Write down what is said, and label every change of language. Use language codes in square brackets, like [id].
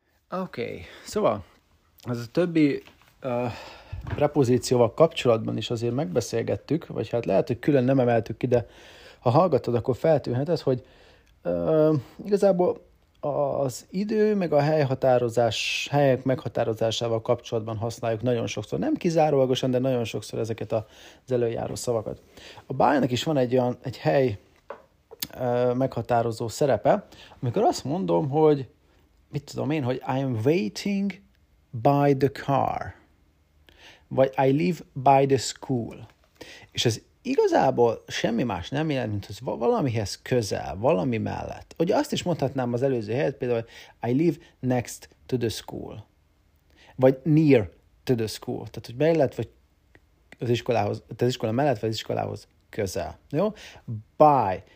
[hu] Okay. Szóval, ez a többi prepozícióval kapcsolatban is azért megbeszélgettük, vagy hát lehet, hogy külön nem emeltük ki, de ha hallgatod, akkor feltűnheted, hogy igazából az idő meg a helyek meghatározásával kapcsolatban használjuk nagyon sokszor. Nem kizárólagosan, de nagyon sokszor ezeket az előjáró szavakat. A by-nak is van egy hely meghatározó szerepe, amikor azt mondom, hogy mit tudom én, hogy [en] I am waiting by the car. [hu] Vagy [en] I live by the school. [hu] És ez igazából semmi más nem jelent, mint hogy valamihez közel, valami mellett. Ugye azt is mondhatnám az előző helyet, például [en] I live next to the school. [hu] Vagy [en] near to the school. [hu] Tehát, hogy mellett vagy az iskolához, tehát az iskola mellett vagy az iskolához közel. Jó? By.